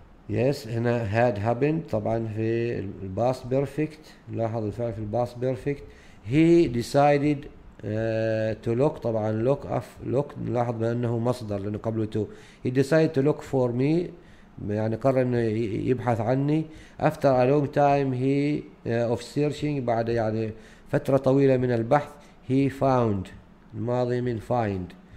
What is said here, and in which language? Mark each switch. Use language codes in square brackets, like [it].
[ar] Yes هنا [en] had happened [ar] طبعا في الباست بيرفكت. لاحظ الفعل في الباست بيرفكت. [en] He decided to look. [ar] طبعا look of look نلاحظ بأنه مصدر لأنه قبله to. [en] He decided to look for me. [ar] يعني قرر إنه يبحث عني. [en] After a long time he of searching. [ar] بعد يعني فترة طويلة من البحث. [en] He found. [ar] الماضي من find.